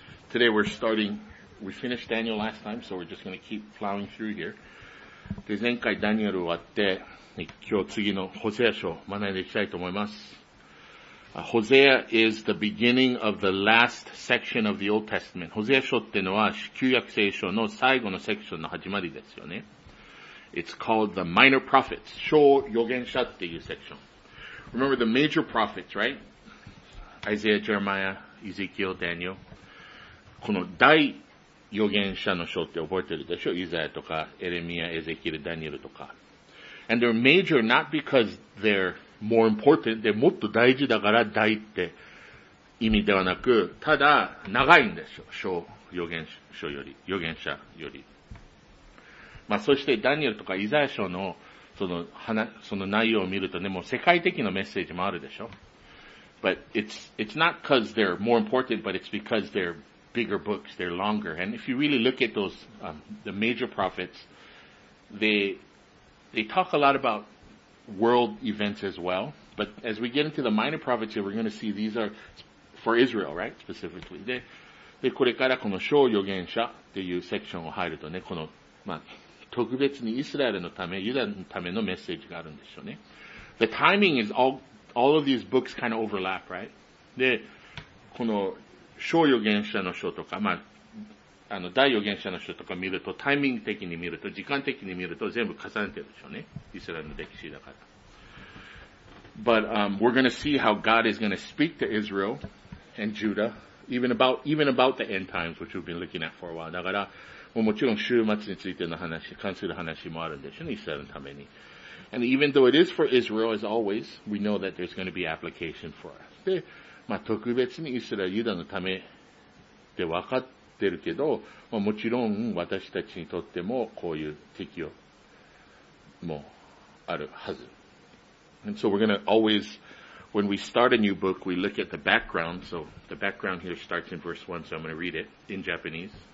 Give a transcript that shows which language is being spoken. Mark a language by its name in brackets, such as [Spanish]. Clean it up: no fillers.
[English] today we're starting, we finished Daniel last time, so we're just going to keep plowing through here. [Japanese] で、前回ダニエルを終わって、今日次のホセア書を学んでいきたいと思います。 [English] ホセア is the beginning of the last section of the Old Testament. [Japanese] ホセア書ってのは旧約聖書の最後のセクションの始まりですよね。 [English] It's called the Minor Prophets, [Japanese] 小預言者っていうセクション。 [English] Remember the Major Prophets, right? Isaiah, Jeremiah, Ezekiel, Daniel. [Japanese] この大預言者の書って覚えてるでしょ？イザヤとか、エレミア、エゼキエル、ダニエルとか。 [English] And they're major not because they're more important, they're [Japanese] もっと大事だから大って意味ではなく、ただ長いんですよ。小預言書より、預言者より。まあそしてダニエルとかイザヤ書のその話、その内容を見るとね、もう世界的なメッセージもあるでしょ？ [English] But it's not because they're more important, but it's because they're bigger books, they're longer. And if you really look at those, the major prophets, they talk a lot about world events as well. But as we get into the minor prophets here, we're going to see these are for Israel, right? Specifically. [Japanese] で、これからこの小預言者っていうセクションを入るとね、この、まあ、特別にイスラエルのため、ユダのためのメッセージがあるんですよね。 [English] The timing is all of these books kind of overlap, right? [Japanese] で、この、小預言者の書とか、まあ、大預言者の書とか見ると、タイミング的に見ると、時間的に見ると、全部重ねてるでしょうね。イスラエルの歴史だから。 [English] But, we're gonna see how God is gonna speak to Israel and Judah, even about the end times, which we've been looking at for a while. [Japanese] だから、もちろん週末についての話、関する話もあるんでしょうね、イスラエルのために。 [English] And even though it is for Israel, as always, we know that there's gonna be application for us. [Japanese] でまあ、特別にイスラエル、ユダのためって分かってるけど、まあ、もちろん私たちにとってもこういう適用もあるはず。 [English] And so we're gonna always, when we start a new book, we look at the background. So the background here starts in verse 1, so I'm gonna read it in Japanese.